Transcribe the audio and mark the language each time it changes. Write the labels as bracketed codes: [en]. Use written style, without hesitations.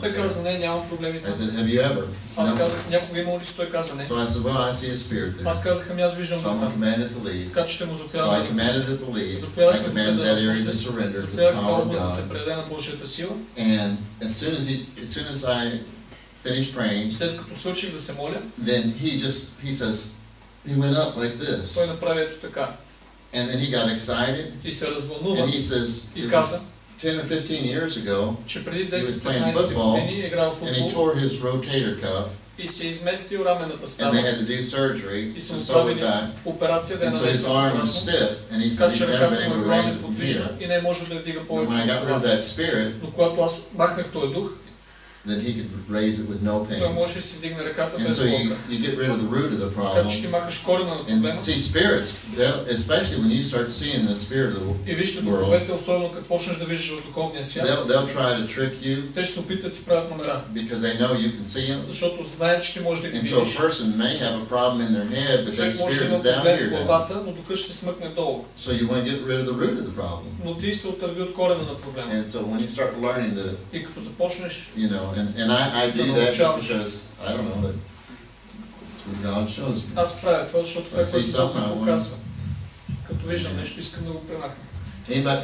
[bg] Той каза, не, нямам проблеми. [en] I said, have you ever? [bg] Аз казах, някога имал ли си? Той каза, не. [en] So I said, well, I see a spirit there. [bg] Аз казах, аз виждам дух. [en] So I commanded to leave. [bg] Така че ще му заповядам. [en] So I commanded it to leave. I commanded that area to surrender to the power of God. [bg] Да се предаде на Божията сила. [en] And as soon as I finished praying, [bg] след като свърших да се моля, [en] then he says, he went up like this. [bg] Той направи ето така. [en] And then he got excited. [bg] И се развълнува. [en] And he says, [bg] и каза, [en] 10 or 15 years ago, [bg] че преди 10-15 години е играл футбол, [en] and he tore his rotator cuff, [bg] и се изместил раменната стена, [en] and they had to do surgery, [bg] и се направили операция да нанесе. [en] And so his arm was stiff, and he said, he's never been able to raise it here. [bg] И не може да вдига повече. [en] When I got rid of that spirit, [bg] но когато аз махнах този дух, [en] that he could raise it with no pain. And so you get rid of the root of the problem. And see spirits, especially when you start seeing the spirit of the world, they'll try to trick you because they know you can see them. And so a person may have a problem in their head, but that spirit is down here. So you want to get rid of the root of the problem. And so when you start learning the, you know, And I do that because, I don't know, that's what God shows me. [bg] Аз правя това, защото това, което Бог показва. Като виждам нещо, искам да го премахна.